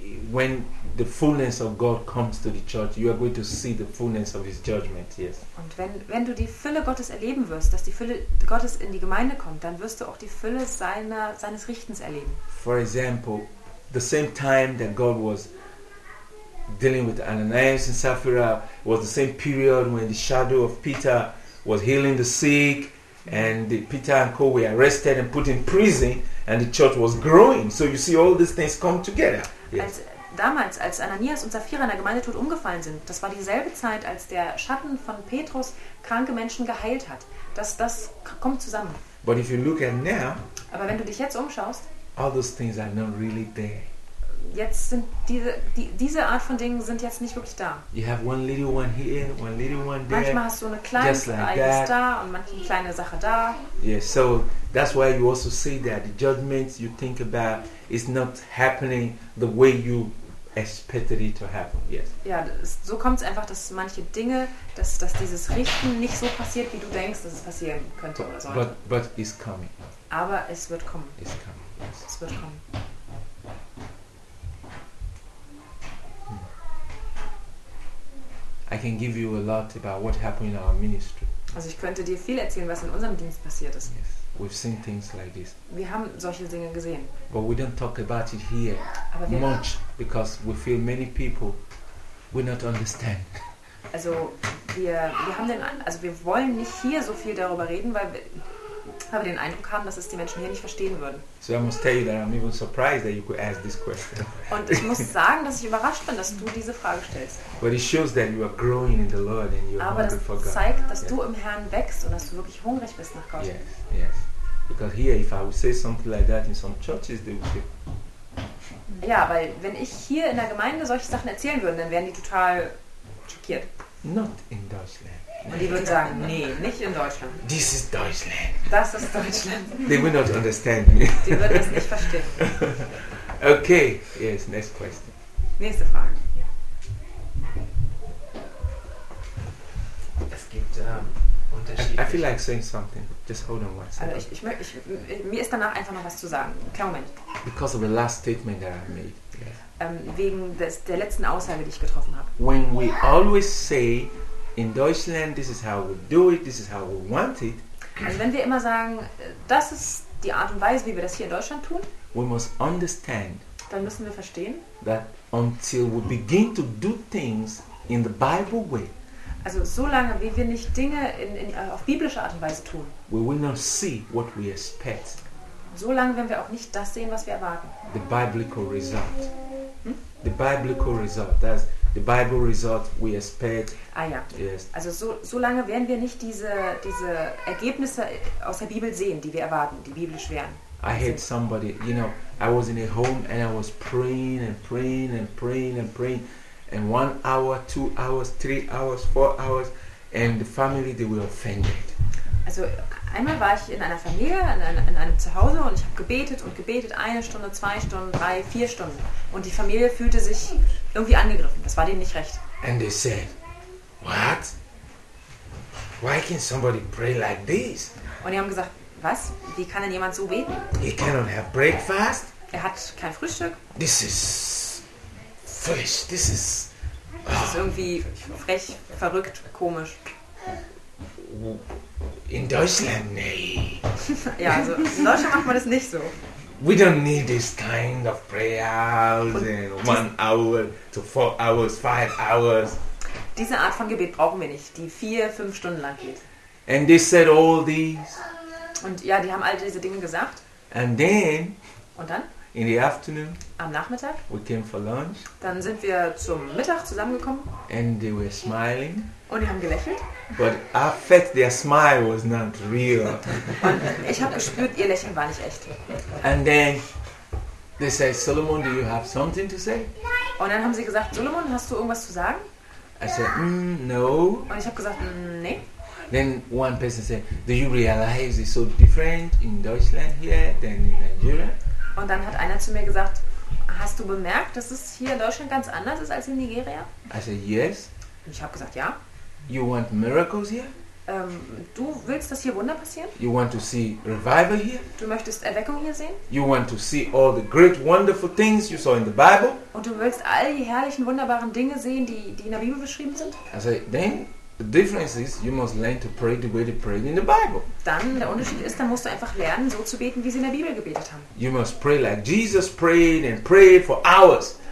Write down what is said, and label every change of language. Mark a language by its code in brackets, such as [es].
[en] When the fullness of God comes to the church, you are going to see the fullness of his judgment. Yes. [de] Und wenn du die Fülle Gottes erleben wirst, dass die Fülle Gottes in die Gemeinde kommt, dann wirst du auch die Fülle seines Richtens erleben. [en] For example, the same time that God was dealing with Ananias and Sapphira was the same period when the shadow of Peter was healing the sick. And Peter and Co were arrested and put in prison, and the church was growing. So you see, all these things come together. Yes. [de] Als Ananias und Sapphira in der Gemeinde tot umgefallen sind, das war dieselbe Zeit, als der Schatten von Petrus kranke Menschen geheilt hat. Das kommt zusammen. [en] But if you look at now, [de] aber wenn du dich jetzt umschaust, [en] all those things are not really there. [de] Jetzt sind diese Art von Dingen sind jetzt nicht wirklich da. [en] You have one little one here, one little one there. [de] Manchmal hast du eine kleine Sache da und manchmal eine kleine Sache da. [en] Yeah, so that's why you also see that the judgments you think about is not happening the way you expected it to happen. Yes. [de] Ja, so kommt es einfach, dass manche Dinge, dass dieses Richten nicht so passiert, wie du denkst, dass es passieren könnte oder sollte. [en] But it's coming. [de] Aber es wird kommen. [en] It's coming. Yes. [de] Es wird kommen. [en] I can give you a lot about what happened in our ministry. [de] Also ich könnte dir viel erzählen, was in unserem Dienst passiert ist. [en] Yes. We've seen things like this. [de] Wir haben solche Dinge gesehen. [en] But we don't talk about it here much because we feel many people will not understand. [de] Also wir wollen nicht hier so viel darüber reden, weil wir den Eindruck haben, dass es die Menschen hier nicht verstehen würden. [en] So I must tell you that I'm even surprised that you could ask this question. [de] Und ich muss sagen, dass ich überrascht bin, dass du diese Frage stellst. [en] But it shows that you are growing in the Lord and you're hungry for God. [de] Aber es zeigt, dass du im Herrn wächst und dass du wirklich hungrig bist nach Gott. [en] Yes, yes. Because here, if I would say something like that in some churches, they would say. [de] Ja, weil wenn ich hier in der Gemeinde solche Sachen erzählen würde, dann wären die total schockiert. [en] Not in Deutschland. [de] Und die würden sagen, nee, nicht in Deutschland. [en] This is Deutschland. [de] Das ist Deutschland. [en] They will not understand me. [de] Die würden es nicht verstehen. [en] Okay, yes, next question. [de] Nächste Frage. Es gibt Unterschiede. [en] I feel like saying something. Just hold on one second. [de] Also mir ist danach einfach noch was zu sagen. Kleinen Moment. [en] Because of the last statement that I made. [de] Wegen der letzten Aussage, die ich getroffen habe. [en] When we always say, in Deutschland, this is how we do it, this is how we want it. [de] Also wenn wir immer sagen, das ist die Art und Weise, wie wir das hier in Deutschland tun, [en] we must understand, [de] dann müssen wir verstehen, [en] that until we begin to do things in the Bible way, [de] also so lange, wie wir nicht Dinge auf biblische Art und Weise tun, [en] we will not see what we expect. [de] So lange werden wir auch nicht das sehen, was wir erwarten. [en] The biblical result. The biblical result. That's the Bible result we expect. [de] Ah ja. [en] Yes. [de] Also so lange werden wir nicht diese Ergebnisse aus der Bibel sehen, die wir erwarten, die biblisch wären. [en] I had somebody, you know, I was in a home and I was praying and praying and praying and praying, and 1 hour, 2 hours, 3 hours, 4 hours, and the family, they were offended. [de] Also einmal war ich in einer Familie, in einem Zuhause, und ich habe gebetet und gebetet, 1 Stunde, 2 Stunden, 3, 4 Stunden, und die Familie fühlte sich irgendwie angegriffen. Das war denen nicht recht. [en] And they said, what? Why can somebody pray like this? [de] Und die haben gesagt, was? Wie kann denn jemand so beten? [en] He cannot have breakfast. [de] Er hat kein Frühstück. [en] This is foolish. This is. [de] Oh. Das ist irgendwie frech, verrückt, komisch. In Deutschland, nee. Ja, also in Deutschland macht man das nicht so. [en] We don't need this kind of prayers in 1 hour to 4 hours, 5 hours. [de] Diese Art von Gebet brauchen wir nicht, die 4, 5 Stunden lang geht. [en] And they said all these. [de] Und ja, die haben all diese Dinge gesagt. [en] And then. [de] Und dann? [en] In the afternoon. [de] Am Nachmittag. [en] We came for lunch. [de] Dann sind wir zum Mittag zusammengekommen. [en] And they were smiling. [de] Und die haben gelächelt. [en] But I felt their smile was not real. [de] Und ich habe gespürt, ihr Lächeln war nicht echt. [en] And then they said, Solomon, do you have something to say? [de] Und dann haben sie gesagt, Solomon, hast du irgendwas zu sagen? [en] I said, no. [de] Und ich habe gesagt, nee. [en] Then one person said, do you realize it's so different in Deutschland here than in Nigeria? [de] Und dann hat einer zu mir gesagt, hast du bemerkt, dass es hier in Deutschland ganz anders ist als in Nigeria? [en] I said, yes. [de] Und ich habe gesagt, ja. [en] You want miracles here? [de] Du willst, dass hier Wunder passieren? [en] You want to see revival here? [de] Du möchtest Erweckung hier sehen? [en] You want to see all the great wonderful things you saw in the Bible? [de] Und du willst all die herrlichen wunderbaren Dinge sehen, die in der Bibel beschrieben sind? [en] I say, then the difference is you must learn to pray the way they prayed in the Bible. [de] Dann der Unterschied ist, dann musst du einfach lernen, so zu beten, wie sie in der Bibel gebetet haben. [en] You must pray like Jesus prayed and prayed for hours.